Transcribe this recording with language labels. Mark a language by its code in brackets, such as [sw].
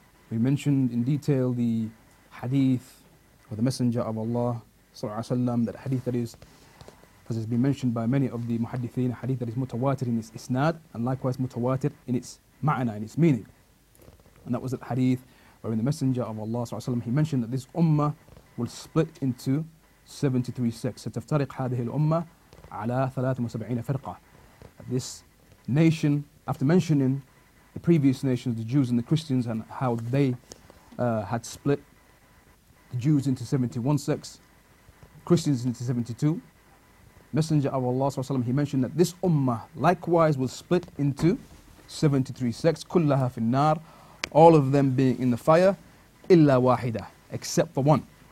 [en] We mentioned in detail the hadith of the Messenger of Allah, sallallahu alayhi wa sallam, that hadith that is, as has been mentioned by many of the muhaddithin, a hadith that is mutawatir in its isnad and likewise mutawatir in its ma'ana, in its meaning. And that was the hadith wherein the Messenger of Allah sallallahu alayhi wa sallam, he mentioned that this ummah will split into 73 sects. [ar] ستفترق هذه الأمة على 73 فرقة. [en] This nation, after mentioning the previous nations, the Jews and the Christians, and how they had split the Jews into 71 sects, Christians into 72, Messenger of Allah sallallahu alayhi wa sallam, he mentioned that this ummah likewise will split into 73 sects, [ar] كلها في النار, [en] all of them being in the fire, [ar] إلا واحدة, [en] except for one.